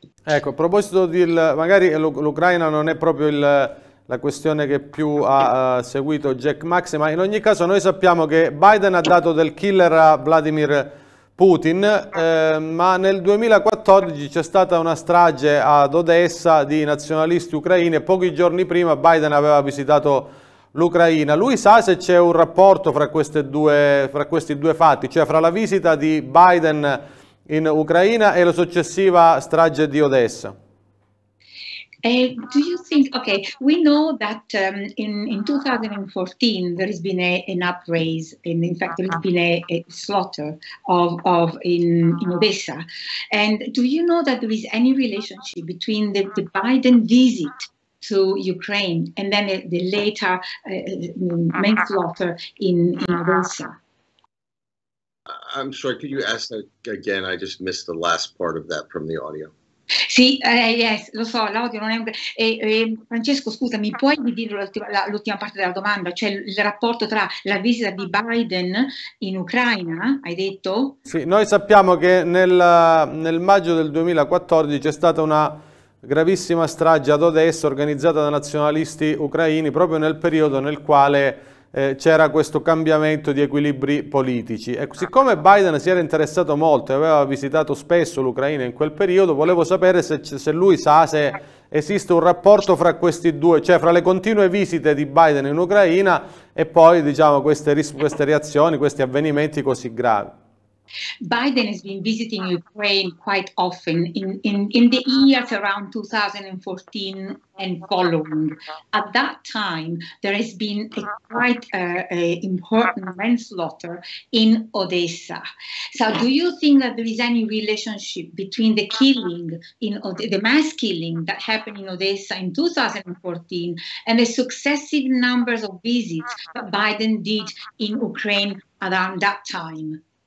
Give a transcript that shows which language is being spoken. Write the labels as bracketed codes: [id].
[it] Ecco, a proposito magari l'Ucraina non è proprio la questione che più ha seguito Jack Maxey, ma in ogni caso noi sappiamo che Biden ha dato del killer a Vladimir Putin, ma nel 2014 c'è stata una strage ad Odessa di nazionalisti ucraini e pochi giorni prima Biden aveva visitato l'Ucraina. Lui sa se c'è un rapporto fra questi due fatti, cioè fra la visita di Biden in Ucraina e la successiva strage di Odessa. [en] Do you think, okay, we know that in 2014 there has been an uprise, and in fact there has been a slaughter of in Odessa. And do you know that there is any relationship between the Biden visit to Ukraine and then the later manslaughter in Odessa? I'm sorry, could you ask that again? I just missed the last part of that from the audio. [it] Sì, yes, lo so, l'audio non è... Francesco, scusami, puoi dire l'ultima parte della domanda? Cioè il rapporto tra la visita di Biden in Ucraina, hai detto? Sì, noi sappiamo che nel maggio del 2014 c'è stata una gravissima strage ad Odessa organizzata da nazionalisti ucraini proprio nel periodo nel quale c'era questo cambiamento di equilibri politici. E siccome Biden si era interessato molto e aveva visitato spesso l'Ucraina in quel periodo, volevo sapere se lui sa se esiste un rapporto fra questi due, cioè fra le continue visite di Biden in Ucraina e poi, diciamo, queste reazioni, questi avvenimenti così gravi. [en] Biden has been visiting Ukraine quite often in the years around 2014 and following. At that time, there has been a quite important manslaughter in Odessa. So do you think that there is any relationship between the killing, the mass killing that happened in Odessa in 2014 and the successive numbers of visits that Biden did in Ukraine around that time?